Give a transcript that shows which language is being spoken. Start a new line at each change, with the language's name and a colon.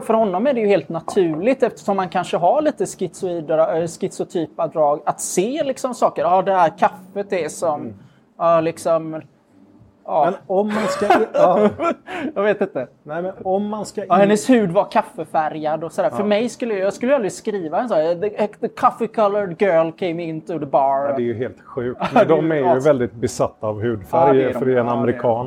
Swedish: För honom är det ju helt naturligt, eftersom man kanske har lite schizotypa drag, att se liksom saker. Ja, det här kaffet är som... Men om man ska... Jag vet inte. Nej, men om man ska... Hennes hud var kaffefärgad och sådär. Ja. För mig skulle jag aldrig skriva en sån.
English: The coffee-colored girl came into the bar.
Swedish: Ja, det är ju helt sjukt. De är ju väldigt besatta av hudfärg. Ja, för det är en amerikan.